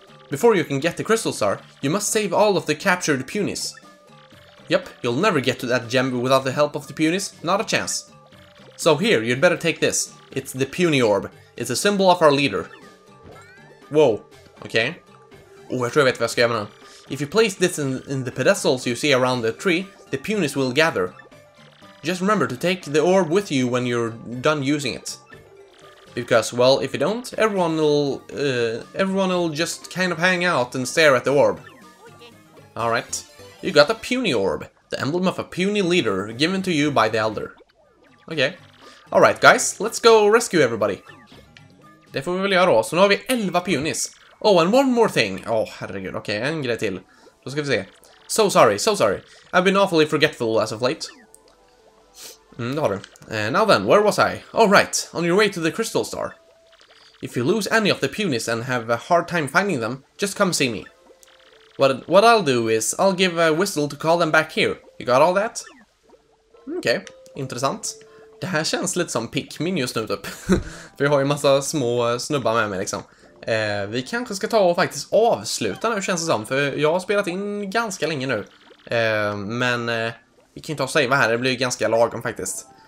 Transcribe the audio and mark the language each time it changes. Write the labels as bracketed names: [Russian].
[English] Before you can get the crystal star, you must save all of the captured punies. Yep, you'll never get to that gem without the help of the punies. Not a chance. So here, you'd better take this. It's the puny orb. It's a symbol of our leader. Whoa. Okay. Oh, [Swedish] jag tror jag vet vad jag ska göra med den. [English] If you place this in the pedestals you see around the tree, the punis will gather. Just remember to take the orb with you when you're done using it. Because, well, if you don't, everyone will just kind of hang out and stare at the orb. Alright. You got a puny orb, the emblem of a puny leader given to you by the elder. Okay. Alright guys, let's go rescue everybody. [Swedish] Det får vi väl göra då, så nu har vi 11 punis. [English] Oh, and one more thing. Oh, [Swedish] herregud, okej, okay, en grej till. Då ska vi se. [English] So sorry, so sorry. I've been awfully forgetful as of late. [Swedish] Mm, det har du. [English] Now then, where was I? Oh, right, on your way to the crystal star. If you lose any of the punis and have a hard time finding them, just come see me. What I'll do is, I'll give a whistle to call them back here. You got all that? [Swedish] Okej, okay, intressant. Det här känns lite som Pikmin just nu typ. För jag har ju massa små snubbar med mig liksom. Vi kanske ska ta och faktiskt avsluta nu känns det som. För jag har spelat in ganska länge nu. Men vi kan ju ta och säga vad här. Det blir ju ganska lagom faktiskt.